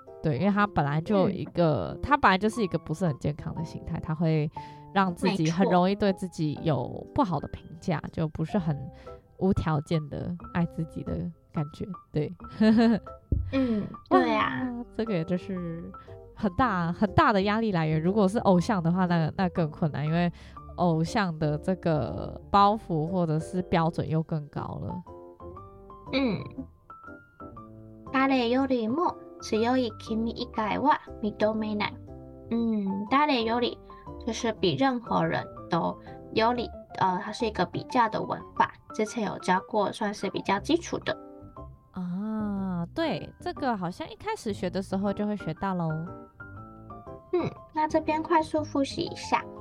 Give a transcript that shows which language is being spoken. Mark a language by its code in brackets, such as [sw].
[zh] 对，因为他本来就是一个不是很健康的心态，他会让自己很容易对自己有不好的评价，就不是很无条件的爱自己的感觉。对，对啊，这个也就是很大很大的压力来源。如果是偶像的话，那更困难，因为偶像的这个包袱或者是标准又更高了。 [ja] 誰よりも強い君以外は認めない。 [zh] 誰より就是比任何人都，より它是一个比较的文法，之前有教过，算是比较基础的。啊，对，这个好像一开始学的时候就会学到喽。那这边快速复习一下。